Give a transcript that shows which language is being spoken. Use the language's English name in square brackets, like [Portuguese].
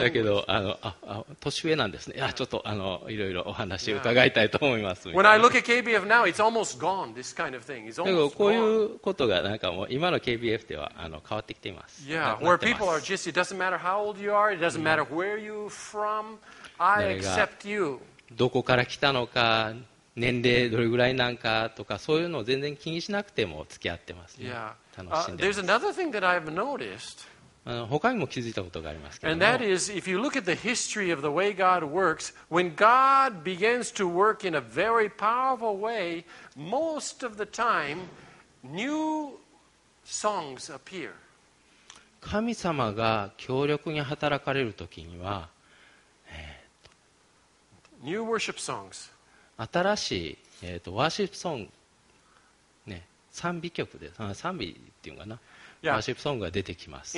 [Japanese] だけど、年上なんですね。ちょっと、いろいろお話伺いたいと思いますみたいな。 [English] When I look at KBF now, it's almost gone, this kind of thing. [Japanese] だけど、こういうことがなんかもう今の KBF では変わってきています。 [English] Yeah, where people are just, it doesn't matter how old you are, it doesn't matter where you're from, I accept you. [Japanese] どこから来たのか、年齢どれぐらいなんかとかそういうのを全然気にしなくても付き合ってますね、 [English] yeah. [Japanese] 楽しんでます。 [English] There's another thing that I've noticed. [Japanese] 他にも気づいたことがありますけども [English] And that is, if you look at the history of the way God works, when God begins to work in a very powerful way, most of the time, new songs appear. [Japanese] 神様が強力に働かれるときには、 [English] New worship songs. [Japanese] 新しい、ワーシップソング、ね、賛美曲で、賛美っていうかな、yeah. ワーシップソングが出てきます。